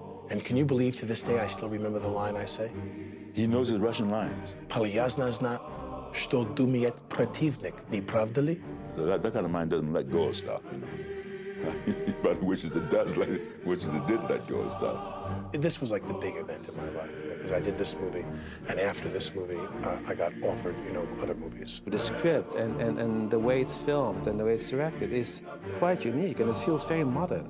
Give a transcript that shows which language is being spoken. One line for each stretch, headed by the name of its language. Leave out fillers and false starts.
English: And can you believe to this day I still remember the line I say? He knows his Russian lines.
Russian: Приязно знать, что думает противник. И правда ли?
English: That kind of mind doesn't let go of stuff, you know. But wishes it does, like, wishes it did let go of stuff. This was like the big event in my life, you know, because I did this movie, and after this movie, I got offered, you know, other movies. The script and the way it's filmed and the way it's directed is quite unique, and it feels very modern.